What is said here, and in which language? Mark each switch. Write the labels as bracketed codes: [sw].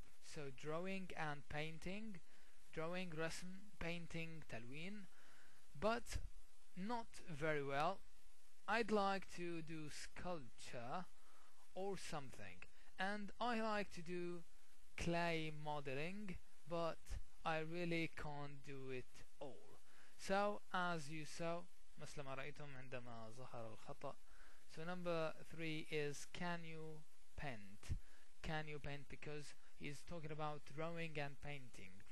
[en] So drawing and painting, drawing rasm, painting talween, but not very well. I'd like to do sculpture or something, and I like to do clay modeling, but I really can't do it all. So as you saw, [ar] مثلما رأيتم عندما ظهر الخطأ. [en] So number three is, can you paint? Can you paint? Because he's talking about drawing and painting.